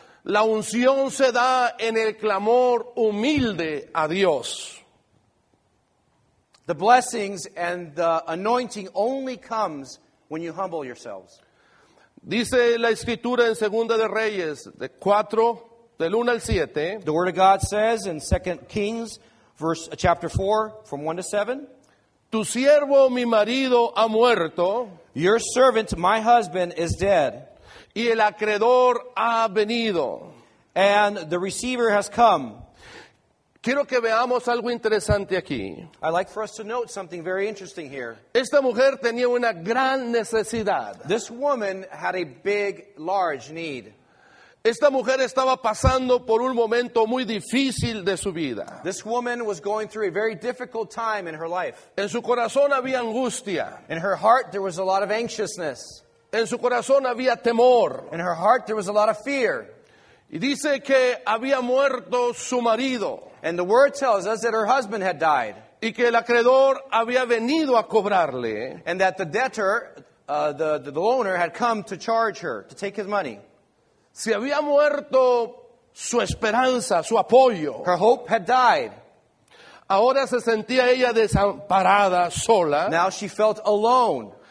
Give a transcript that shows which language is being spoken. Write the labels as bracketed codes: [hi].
[es] La unción se da en el clamor humilde a Dios. [en] The blessings and the anointing only comes when you humble yourselves. [es] Dice la Escritura en Segunda de Reyes, de 4, del 1 al 7. [en] The Word of God says in 2 Kings, chapter 4, from 1 to 7. [es] Tu siervo, mi marido, ha muerto. [en] Your servant, my husband, is dead. [es] Y el acreedor ha venido. [en] And the receiver has come. [es] Quiero que veamos algo interesante aquí. [en] I'd like for us to note something very interesting here. [es] Esta mujer tenía una gran necesidad. [en] This woman had a big, large need. [es] Esta mujer estaba pasando por un momento muy difícil de su vida. [en] This woman was going through a very difficult time in her life. [es] En su corazón había angustia. [en] In her heart there was a lot of anxiousness. [es] En su corazón había temor. [en] In her heart there was a lot of fear. [es] Y dice que había muerto su marido. [en] And the word tells us that her husband had died. [es] Y que el acreedor había venido a cobrarle. [en] And that the debtor, the loaner, had come to charge her, to take his money. [es] Si había muerto su esperanza, su apoyo. [en] Her hope had died. [es] Ahora se sentía ella desamparada, sola. [en] Now she felt alone.